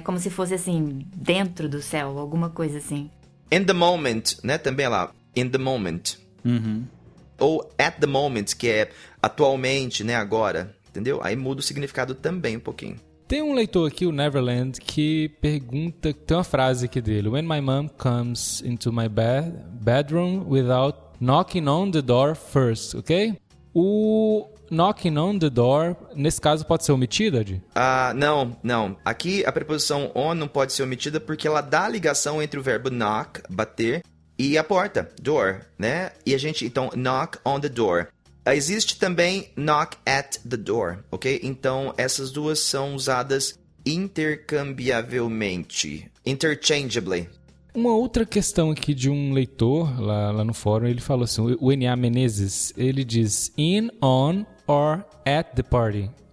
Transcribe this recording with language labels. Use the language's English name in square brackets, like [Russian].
[Portuguese] Como se fosse, assim, dentro do céu, alguma coisa assim. [English] In the moment, [Portuguese] né? Também lá, [English] in the moment. Uhum. [Portuguese] Ou [English] at the moment, [Portuguese] que é atualmente, né, agora, entendeu? Aí muda o significado também um pouquinho. Tem um leitor aqui, o Neverland, que pergunta, tem uma frase aqui dele. [English] When my mom comes into my bedroom without knocking on the door first, ok? [Portuguese] O [English] knocking on the door, [Portuguese] nesse caso, pode ser omitida, Di? Ah, não, não. Aqui a preposição on não pode ser omitida porque ela dá a ligação entre o verbo knock, bater, e a porta, door, né? E a gente, então, [English] knock on the door. [Portuguese] Existe também [English] knock at the door, [Portuguese] ok? Então, essas duas são usadas intercambiavelmente, interchangeably. Uma outra questão aqui de um leitor lá no fórum, ele falou assim, o N.A. [English] Menezes, [Portuguese] ele diz [English] in, on, or at the party.